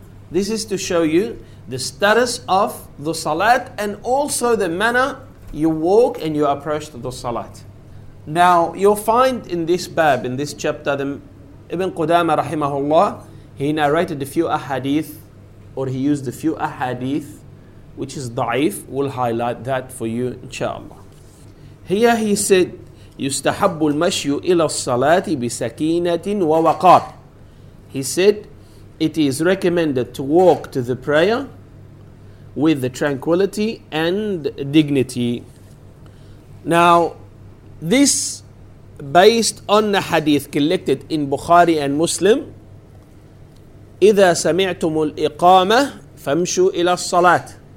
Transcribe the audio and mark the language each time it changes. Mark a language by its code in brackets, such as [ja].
[en] This is to show you the status of the salat and also the manner you walk and you approach to the salat. Now, you'll find in this bab, in this chapter, Ibn Qudama rahimahullah, he narrated a few ahadith, or he used a few ahadith which is da'if. We'll highlight that for you, inshallah. Here he said, [ar] يستحب المشي إلى الصلاة بسكينة ووقار. [en] He said, it is recommended to walk to the prayer with the tranquility and dignity. Now, this based on the hadith collected in Bukhari and Muslim, [ar] إذا سمعتم الإقامة فامشوا إلى الصلاة.